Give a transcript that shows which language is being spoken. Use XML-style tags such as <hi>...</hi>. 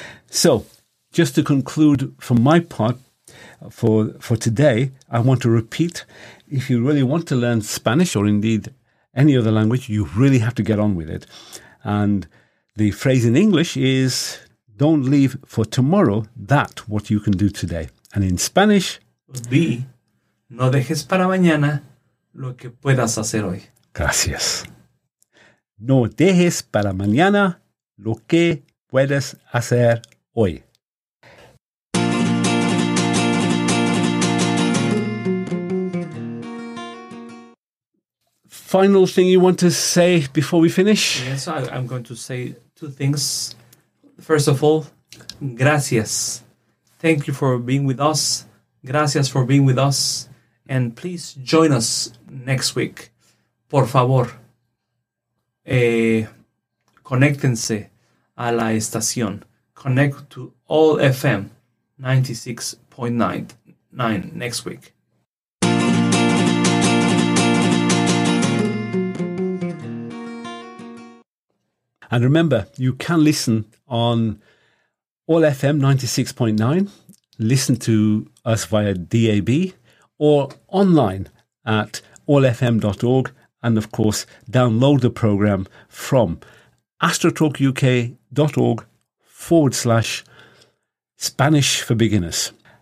<en>So just to conclude from my part for today, I want to repeat, if you really want to learn Spanish or indeed any other language, you really have to get on with it. And the phrase in English is, don't leave for tomorrow that what you can do today. And in Spanish,</en> <es>be, no dejes para mañana lo que puedas hacer hoy. Gracias. No dejes para mañana lo que puedes hacer hoy.</es> <en>Final thing you want to say before we finish? Yes, I'm going to say two things. First of all, gracias. Thank you for being with us. Gracias for being with us. And please join us next week.</en> <es>Por favor, conéctense a la estación.</es> <en>Connect to All FM 96.99 next week. And remember, you can listen on All FM 96.9, listen to us via DAB, or online at allfm.org, and of course, download the program from astrotalkuk.org/Spanish for Beginners.</en>